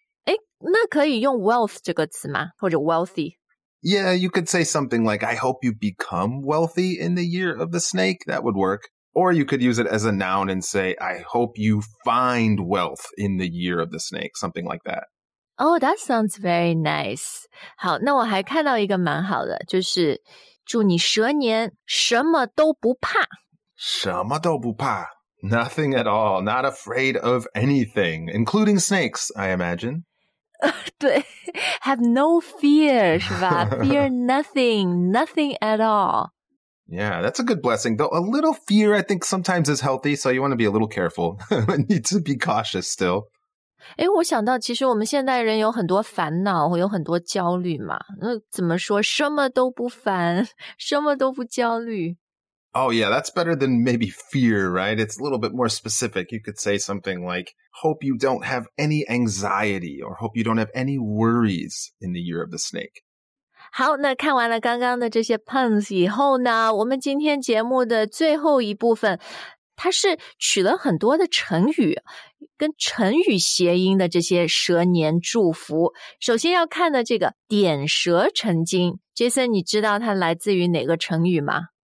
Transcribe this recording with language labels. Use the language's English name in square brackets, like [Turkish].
[Chinese] 诶，那可以用 wealth 这个词吗？或者 wealthy? [English] Yeah, you could say something like, I hope you become wealthy in the year of the snake. That would work. Or you could use it as a noun and say, I hope you find wealth in the year of the snake. Something like that. Oh, that sounds very nice. [Chinese] 好，那我还看到一个蛮好的，就是祝你蛇年什么都不怕。什么都不怕。 [English] Nothing at all. Not afraid of anything, including snakes, I imagine. 对 have no fear, 是吧 fear nothing, nothing at all. Yeah, that's a good blessing, though a little fear, I think, sometimes is healthy, so you want to be a little careful, but need to be cautious still. [Chinese] 诶我想到其实我们现代人有很多烦恼有很多焦虑嘛那怎么说什么都不烦什么都不焦虑 [English] Oh yeah, that's better than maybe fear, right? It's a little bit more specific. You could say something like,Hope you don't have any anxiety or hope you don't have any worries in the year of the snake. [Chinese] 好，那看完了刚刚的这些 puns 以后呢，我们今天节目的最后一部分，它是取了很多的成语，跟成语谐音的这些蛇年祝福。首先要看的这个点蛇成金， Jason， 你知道它来自于哪个成语吗？